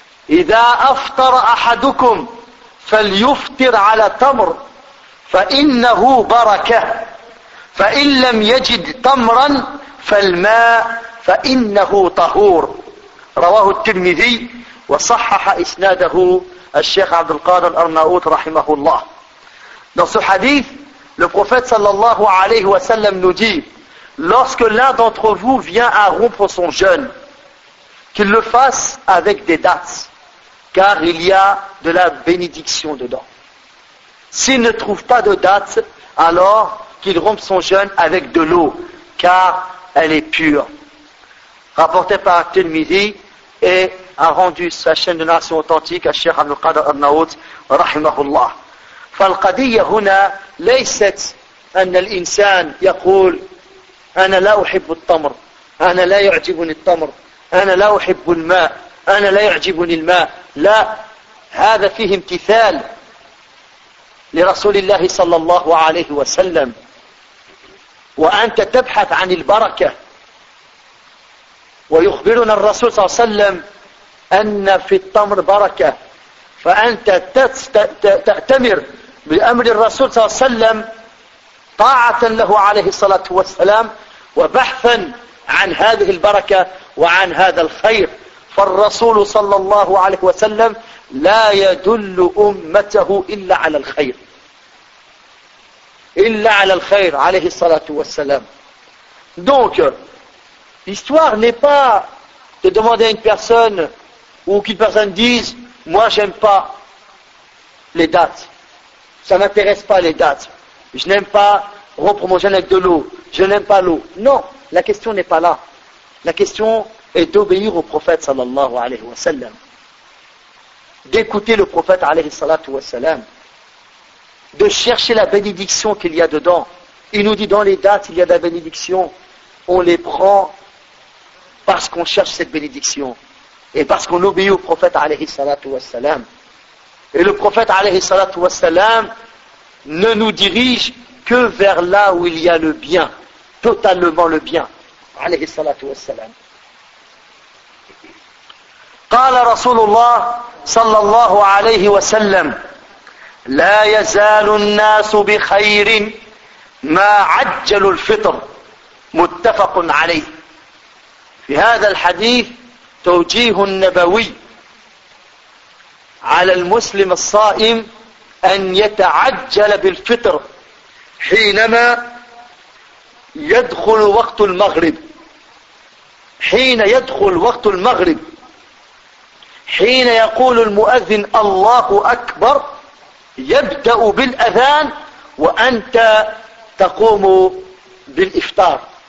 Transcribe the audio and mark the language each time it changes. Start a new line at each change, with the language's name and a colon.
Arabic: إذا أفطر أحدكم فليفطر على تمر فإنه بركة، فإن لم يجد تمرا فالماء فإنه طهور. رواه الترمذي وصحح إسناده الشيخ عبد القادر الأرناؤوط رحمه الله.
French: Dans ce hadith, le prophète sallallahu alayhi wa sallam nous dit: lorsque l'un d'entre vous vient à rompre son jeûne, qu'il le fasse avec des dattes, car il y a de la bénédiction dedans. S'il ne trouve pas de dattes, alors qu'il rompe son jeûne avec de l'eau, car elle est pure. Rapporté par Tirmidhi et a rendu sa chaîne de narration authentique à Cheikh Abdul Qadir Arnaout, rahimahullah.
Arabic: فالقضية هنا ليست أن الإنسان يقول أنا لا أحب التمر، أنا لا يعجبني التمر، أنا لا أحب الماء، أنا لا يعجبني الماء. لا، هذا فيه امتثال لرسول الله صلى الله عليه وسلم، وأنت تبحث عن البركة. ويخبرنا الرسول صلى الله عليه وسلم أن في التمر بركة، فأنت تأتمر بأمر الرسول صلى الله عليه وسلم طاعة له عليه الصلاة والسلام، وبحثا عن هذه البركة وعن هذا الخير. فالرسول صلى الله عليه وسلم لا يدل أمته إلا على الخير، إلا على الخير عليه الصلاة والسلام.
French: Donc l'histoire n'est pas de demander à une personne ou qu'une personne dise moi j'aime pas les dates, ça m'intéresse pas les dates, je n'aime pas rompre mon jeûne avec de l'eau, je n'aime pas l'eau. Non, la question n'est pas là. La question est d'obéir au prophète sallallahu alayhi wa sallam, d'écouter le prophète alayhi salatu wa sallam, de chercher la bénédiction qu'il y a dedans. Il nous dit dans les dates il y a de la bénédiction, on les prend parce qu'on cherche cette bénédiction et parce qu'on obéit au prophète alayhi salatu wa sallam. Et le prophète alayhi salatu wa sallam ne nous dirige que vers là où il y a le bien, totalement le bien alayhi salatu wa sallam.
Arabic: قال رسول الله صلى الله عليه وسلم لا يزال الناس بخير ما عجل الفطر. متفق عليه. في هذا الحديث توجيه نبوي على المسلم الصائم أن يتعجل بالفطر حينما يدخل وقت المغرب، حين يدخل وقت المغرب، حين يقول المؤذن الله أكبر يبدأ بالأذان وأنت تقوم بالإفطار.